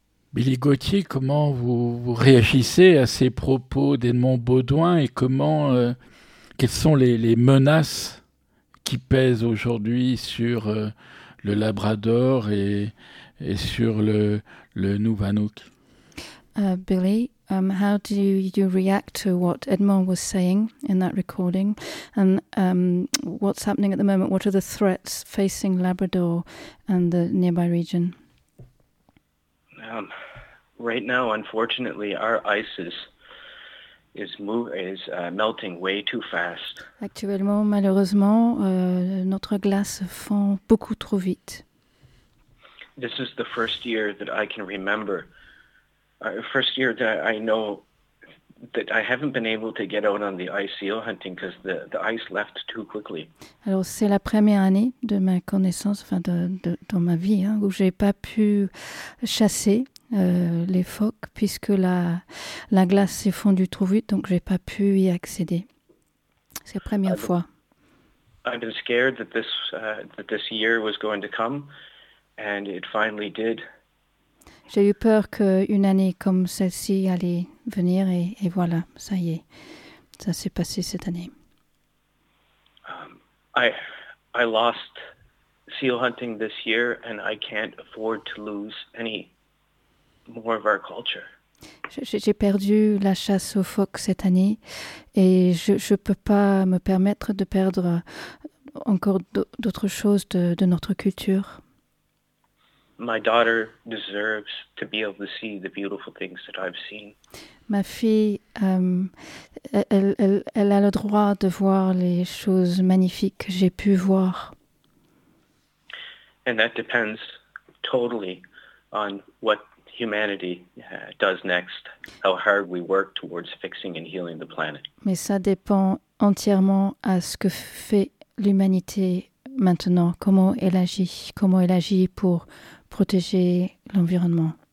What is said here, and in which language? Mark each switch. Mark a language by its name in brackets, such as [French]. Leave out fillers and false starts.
[French] Billy Gauthier, comment vous réagissez à ces propos d'Edmond Baudouin et comment... Quelles sont les menaces qui pèsent aujourd'hui sur le Labrador et sur le Nuvanuk? [English] Billy, how do you react to what Edmond was saying in that recording? And what's happening at the moment? What are the threats facing Labrador and the nearby region? Right now, unfortunately, our ISIS is melting way too fast. [French] Actuellement, malheureusement, notre glace fond beaucoup trop vite. [English] This is the first year that I can remember. First year that I know that I haven't been able to get out on the ice seal hunting because the ice left too quickly. [French] Alors, c'est la première année de ma connaissance, enfin de dans ma vie, où j'ai pas pu chasser les phoques, puisque la glace s'est fondue trop vite, donc j'ai pas pu y accéder. C'est la première fois. [English] I've been scared that this year was going to come, and it finally did. [French] J'ai eu peur qu'une année comme celle-ci allait venir, et voilà, ça y est, ça s'est passé cette année. [English] I lost seal hunting this year, and I can't afford to lose any more of our culture. [French] J'ai perdu la chasse aux phoques cette année et je ne peux pas me permettre de perdre encore d'autres choses de notre culture. [English] My daughter deserves to be able to see the beautiful things that I've seen. [French] Ma fille, elle a le droit de voir les choses magnifiques que j'ai pu voir. [English] And that depends totally on what humanity does next, how hard we work towards fixing and healing the planet. [French] Mais ça dépend entièrement à ce que fait l'humanité maintenant, comment elle agit pour protéger l'environnement.